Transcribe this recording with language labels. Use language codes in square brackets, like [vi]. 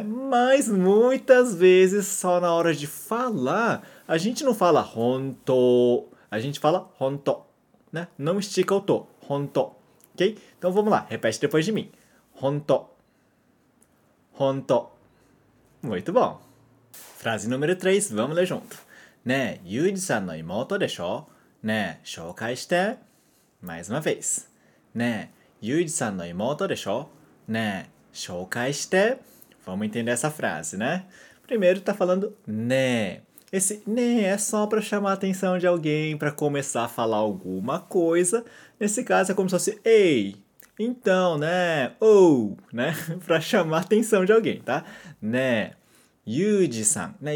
[pt] Mas muitas vezes só na hora de falar, a gente não fala 本当, a gente fala 本当, né? Não estica o to, 本当, ok? Então vamos lá, repete depois de mim, 本当本当。 Muito bom。フラーズ número 3、vamos ler junto。 [ja] ねえ、ゆうじさんの妹でしょ？ねえ、紹介して。 [pt] Mais uma vez。 [ja] ねえ、ゆうじさんの妹でしょ？ねえ、紹介して。 [pt] Vamos entender essa frase, né? Primeiro tá falando ねえ。 Esse ねえé só pra chamar a atenção de alguém, pra começar a falar alguma coisa. Nesse caso é como se fosse ei. Então, né? Ou, né? Pra chamar a atenção de alguém, tá? Né? Yuji-san. Né?